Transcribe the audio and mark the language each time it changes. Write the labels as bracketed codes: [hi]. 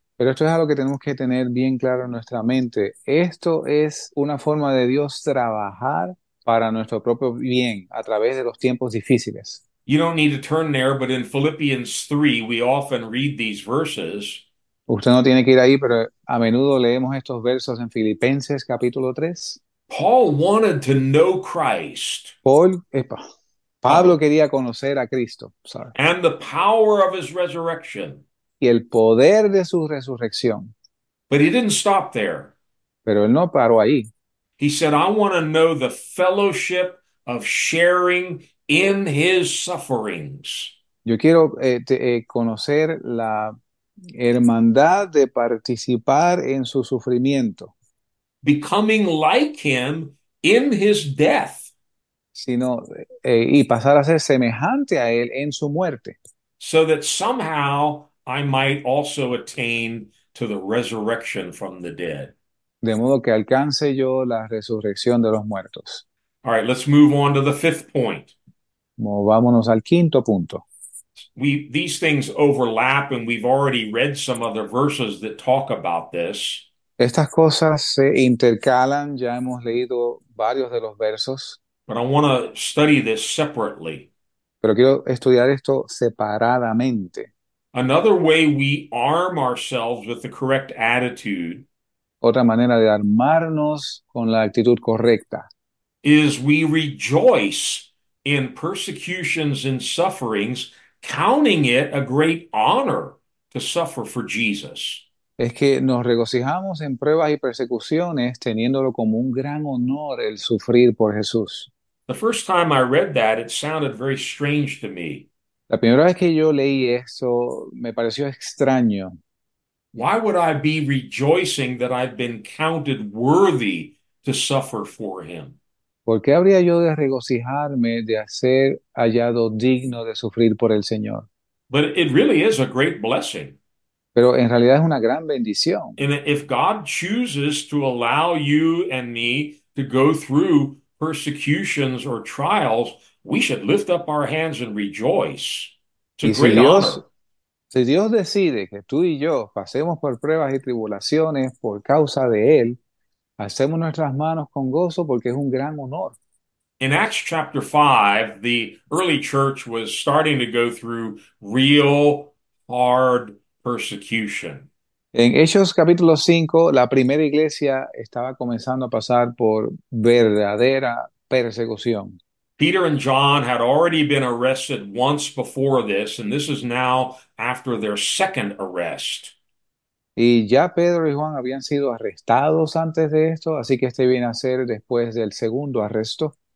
[es] Pero esto es algo que tenemos que tener bien claro en nuestra mente. Esto es una forma de Dios trabajar para nuestro propio bien a través de los tiempos difíciles. [en] You don't need to turn there, but in Philippians 3, we often read these verses. [es] Usted no tiene que ir ahí, pero a menudo leemos estos versos en Filipenses capítulo 3. [en] Paul wanted to know Christ [es] Pablo quería conocer a Cristo. [en] Sorry. and the power of his resurrection. [es] Y el poder de su resurrección. [en] But he didn't stop there. [es] Pero él no paró ahí. [en] He said, I want to know the fellowship of sharing in his sufferings. [es] Yo quiero conocer la hermandad de participar en su sufrimiento, [en] Becoming like him in his death. [es] sino y pasar a ser semejante a él en su muerte. [en] So that somehow I might also attain to the resurrection from the dead. [es] De modo que alcance yo la resurrección de los muertos. [en] All right, let's move on to the fifth point. [es] Movámonos al quinto punto. [en] These things overlap, and we've already read some other verses that talk about this. [es] Estas cosas se intercalan, ya hemos leído varios de los versos, [en] But I want to study this separately. [es] pero quiero estudiar esto separadamente. [en] Another way we arm ourselves with the correct attitude [es] Otra manera de armarnos con la actitud correcta. [en] is we rejoice in persecutions and sufferings, counting it a great honor to suffer for Jesus. [es] Es que nos regocijamos en pruebas y persecuciones, teniéndolo como un gran honor el sufrir por Jesús. [en] The first time I read that, it sounded very strange to me. [es] La primera vez que yo leí eso, me pareció extraño. [en] Why would I be rejoicing that I've been counted worthy to suffer for him? [es] ¿Por qué habría yo de regocijarme de ser hallado digno de sufrir por el Señor? [en] But it really is a great blessing. [es] Pero en realidad es una gran bendición. [en] And if God chooses to allow you and me to go through persecutions or trials, we should lift up our hands and rejoice. It's a [es] Y [en] great honor. [es] si Dios decide que tú y yo pasemos por pruebas y tribulaciones por causa de Él, alcemos nuestras manos con gozo porque es un gran honor. [en] In Acts chapter 5, the early church was starting to go through real hard persecution. [es] En Hechos capítulo 5, la primera iglesia estaba comenzando a pasar por verdadera persecución. [en] Peter and John had already been arrested once before this, and this is now after their second arrest. [es] Y ya Pedro y Juan habían sido arrestados antes de esto, así que este viene a ser después del segundo arresto.